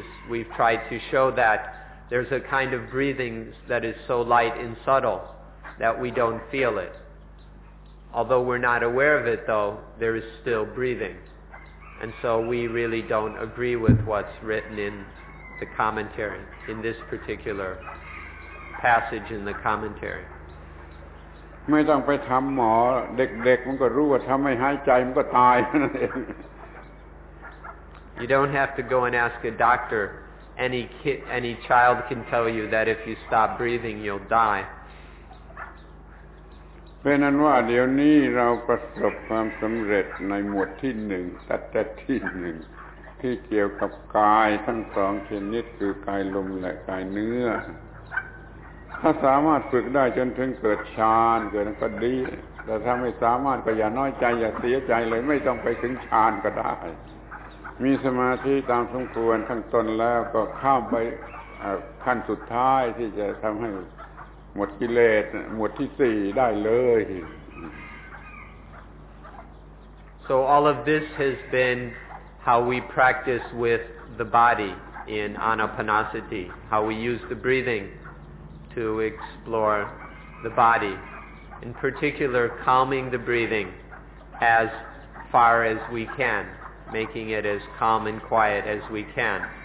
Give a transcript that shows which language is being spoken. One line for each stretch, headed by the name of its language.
English: We've tried to show that there's a kind of breathing that is so light and subtle that we don't feel it. Although we're not aware of it though, there is still breathing. And so we really don't agree with what's written in the commentary, in this particular passage in the commentary.
Thai: ไม่ต้องไปทำหมอเด็กๆมันก็รู้ว่าถ้าไม่หายใจมันก็ตายนั่นเอง
English: You don't have to go and ask a doctor. Any child can tell you that if you stop breathing, you'll die.
Thai: เป็นอันว่าเดี๋ยวนี้เราประสบความสำเร็จในหมวดที่หนึ่งตัดแต่ที่หนึ่งที่เกี่ยวกับกายทั้งสองชนิดคือกายลมและกายเนื้อ ถ้าสามารถฝึกได้จนถึงเกิดฌานเกิดนั้นก็ดีแต่ถ้าไม่สามารถก็อย่าน้อยใจอย่าเสียใจเลยไม่ต้องไปถึงฌานก็ได้มีสมาธิตามสมควรขั้นต้นแล้วก็ข้ามไปขั้นสุดท้ายที่จะทำให้หมดกิเลสหมวดที่สี่ได้เลย
English: So all of this has been how we practice with the body in Anapanasati how we use the breathingTo explore the body, in particular, calming the breathing as far as we can, making it as calm and quiet as we can.